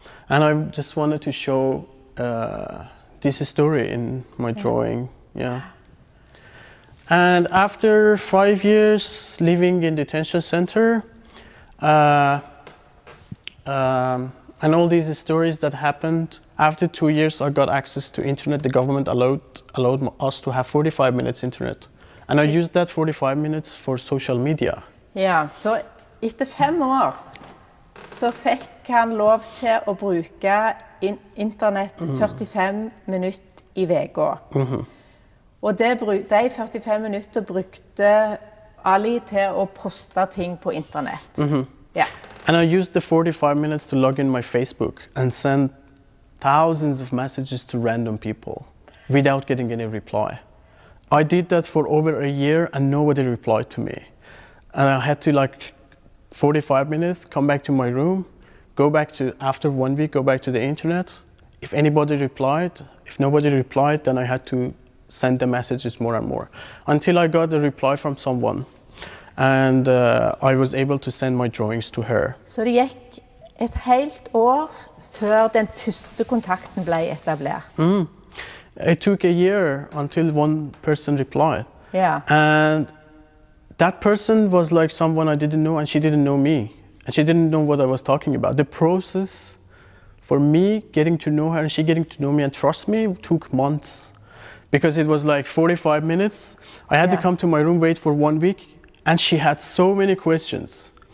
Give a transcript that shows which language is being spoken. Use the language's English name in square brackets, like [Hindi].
[English] And I just wanted to show this story in my drawing, And after 5 years living in detention center, and all these stories that happened, after 2 years I got access to internet. The government allowed us to have 45 minutes internet. And I used that 45 minutes for social media. Yeah, so after 5 years, [Norwegian] så fikk han lov til å bruke internett 45 minutter i vega. Og de 45 minutter brukte Ali til å poste ting på internett. [English] And I used the 45 minutes to log in my Facebook and send thousands of messages to random people without getting any reply. I did that for over a year and nobody replied to me. And I had to like 45 minutes, come back to my room, after 1 week, go back to the internet. If nobody replied, then I had to send the messages more and more. Until I got a reply from someone. And I was able to send my drawings to her. [Norwegian] Så det gikk et helt år før den første kontakten ble etablert. [English] It took a year until one person replied. Yeah. And that person was like someone I didn't know, and she didn't know me. And she didn't know what I was talking about. The process for me getting to know her and she getting to know me and trust me took months. Because it was like 45 minutes. I had to come to my room, wait for 1 week, and she had so many questions.